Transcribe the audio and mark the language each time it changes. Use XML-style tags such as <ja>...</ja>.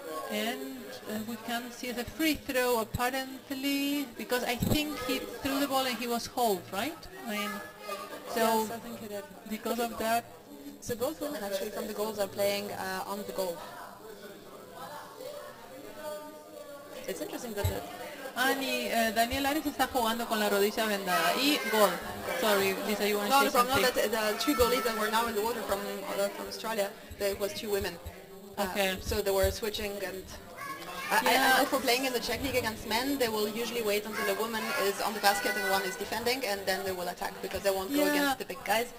<en>And we can see the free throw, apparently, because I think he threw the ball and he was holed, right? I mean, so yes, I think he did. Because of that. So both women, actually, from the goals are playing on the goal. It's interesting that it.</en> <es>Ani, Daniel Aris está jugando con la rodilla vendada. Y gol.</es> <en>Sorry, Lisa, you want to say something? No, no, the two goalies that were now in the water from Australia, there was two women. Okay. So they were switching and... Yeah. I know for playing in the Czech League against men, they will usually wait until a woman is on the basket and one is defending, and then they will attack because they won't go against the big guys.</en>